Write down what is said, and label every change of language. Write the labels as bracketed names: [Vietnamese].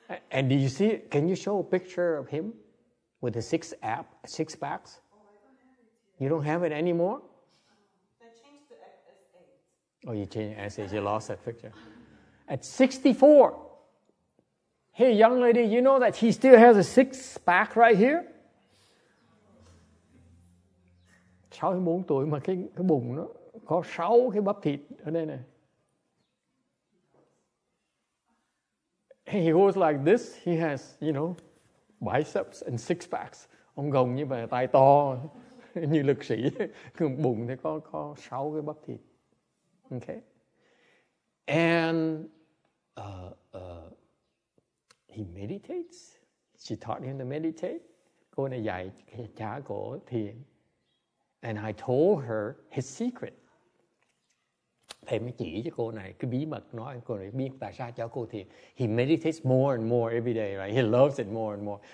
[English] And do you see, can you show a picture of him with the six packs? You don't have it anymore? I changed the S8. Oh, you changed the S8. You lost that picture. At 64. Hey, young lady, you know that he still has a six pack right here? [Vietnamese] 64 tuổi mà cái bụng nó có 6 cái bắp thịt ở đây này. [English] He goes like this. He has, you know, biceps and six packs. [Vietnamese] Ông gồng như vậy, tay to như lực sĩ. Bụng thì có 6 cái bắp thịt. Okay. [English] And he meditates. She taught him to meditate. [Vietnamese] Cô này dạy cha cổ thiền. [English] And I told her his secret. [Vietnamese] Thầy mới chỉ cho cô này cái bí mật, nói cô này biết tại sao cho cô thiền. [English] He meditates more and more every day, right? He loves it more and more.